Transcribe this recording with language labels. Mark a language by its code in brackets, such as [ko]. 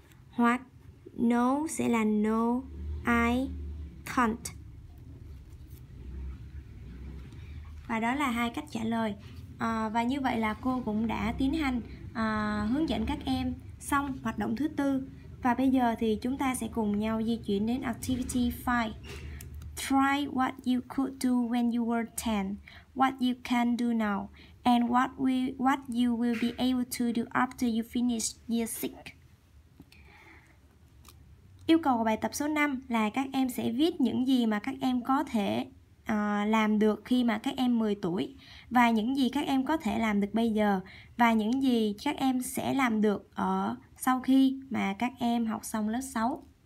[vi] Hoặc [en] no [vi] sẽ là [en] no, I can't. [vi] Và đó là hai cách trả lời. Và như vậy là cô cũng đã tiến hành hướng dẫn các em xong hoạt động thứ tư. Và bây giờ thì chúng ta sẽ cùng nhau di chuyển đến [en] activity 5. Try what you could do when you were 10, what you can do now, and what you will be able to do after you finish year 6. [vi] Yêu cầu của bài tập số 5 là các em sẽ viết những gì mà các em có thể làm được khi mà các em 10 tuổi và những gì các em có thể làm được bây giờ và những gì các em sẽ làm được ở sau khi mà các em học xong lớp 6.